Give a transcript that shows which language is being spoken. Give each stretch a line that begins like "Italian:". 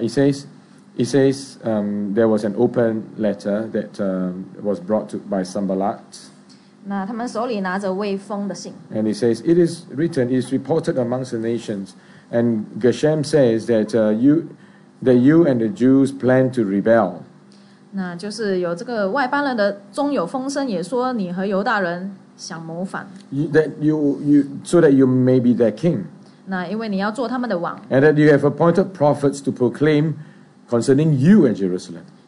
English: Yeah, it says there was an open letter that was brought to by Sanballat.
Chinese: 那他们手里拿着未封的信。
English: And it says it is written, it is reported amongst the nations, and Geshem says that you and the Jews plan to rebel.
Chinese: 那就是有这个外邦人的中有风声，也说你和犹大人。
English: So that you may be their king. And that you have appointed prophets to proclaim concerning you and Jerusalem.